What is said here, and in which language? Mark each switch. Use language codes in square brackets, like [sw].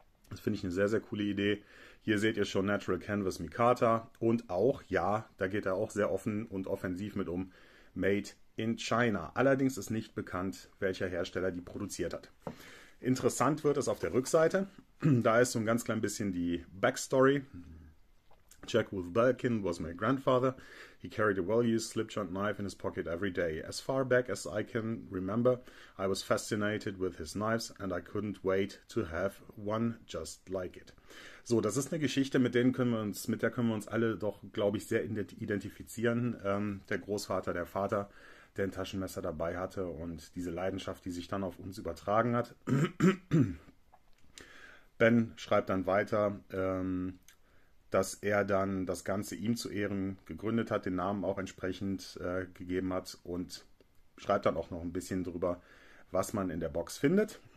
[de] Das finde ich eine sehr, sehr coole Idee. Hier seht ihr schon Natural Canvas Micarta. Und auch, ja, da geht er auch sehr offen und offensiv mit um, [en] Made in China. [de] Allerdings ist nicht bekannt, welcher Hersteller die produziert hat. Interessant wird es auf der Rückseite. Da ist so ein ganz klein bisschen die Backstory. [en] Jack Wolf Belkin was my grandfather. He carried a well-used slip-joint knife in his pocket every day. As far back as I can remember, I was fascinated with his knives and I couldn't wait to have one just like it. [de] So, das ist eine Geschichte, mit der können wir uns alle doch, glaube ich, sehr identifizieren. Der Großvater, der Vater, der ein Taschenmesser dabei hatte und diese Leidenschaft, die sich dann auf uns übertragen hat. Ben schreibt dann weiter, dass er dann das Ganze ihm zu Ehren gegründet hat, den Namen auch entsprechend gegeben hat und schreibt dann auch noch ein bisschen drüber, was man in der Box findet.